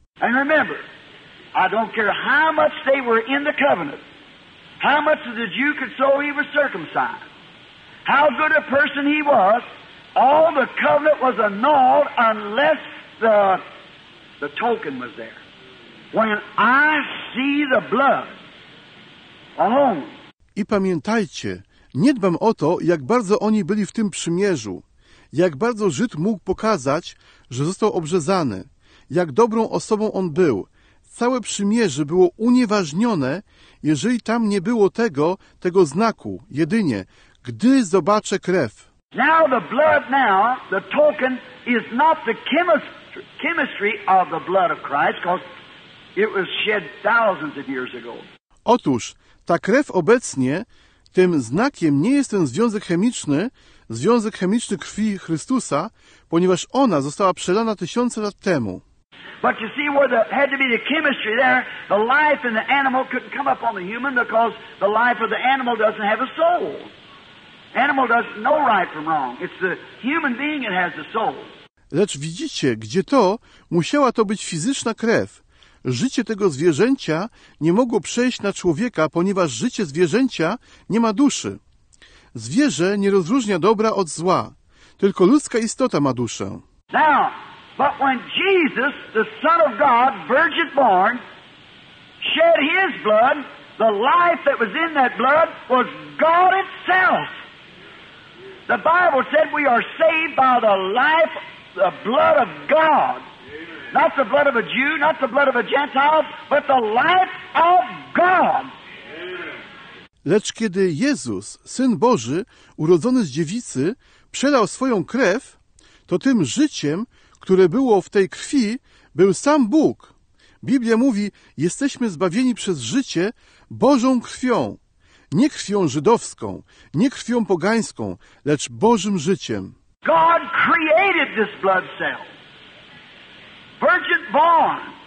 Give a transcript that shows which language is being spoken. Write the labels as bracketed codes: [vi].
[en] And remember, I don't care how much they were in the covenant, how much of the Jew could show he was circumcised, how good a person he was, all the covenant was annulled unless the token was there. When I see the blood alone. [pl] I pamiętajcie, nie dbam o to, jak bardzo oni byli w tym przymierzu, jak bardzo Żyd mógł pokazać, że został obrzezany, jak dobrą osobą on był. Całe przymierze było unieważnione, jeżeli tam nie było tego znaku, jedynie, gdy zobaczę krew. [en] Now the blood now, the token is not the chemistry of the blood of Christ, because it was shed thousands of years ago. [pl] Otóż, ta krew obecnie, tym znakiem nie jest ten związek chemiczny krwi Chrystusa, ponieważ ona została przelana tysiące lat temu. [en] But you see where there had to be the chemistry there, the life in the animal couldn't come up on the human because the life of the animal doesn't have a soul. Animal does no right from wrong. It's the human being that has the soul. [pl] Lecz widzicie, gdzie to musiała to być fizyczna krew. Życie tego zwierzęcia nie mogło przejść na człowieka, ponieważ życie zwierzęcia nie ma duszy. Zwierzę nie rozróżnia dobra od zła. Tylko ludzka istota ma duszę. [en] Now, but when Jesus, the Son of God, virgin born, shed his blood, the life that was in that blood was God itself. The Bible said we are saved by the life, the blood of God. Not the blood of a Jew, not the blood of a Gentile, but the life of God. [pl] Lecz kiedy Jezus, Syn Boży, urodzony z dziewicy, przelał swoją krew, to tym życiem, które było w tej krwi, był sam Bóg. Biblia mówi, jesteśmy zbawieni przez życie Bożą krwią. Nie krwią żydowską, nie krwią pogańską, lecz Bożym życiem. [en] God created this blood cell. Virgin born.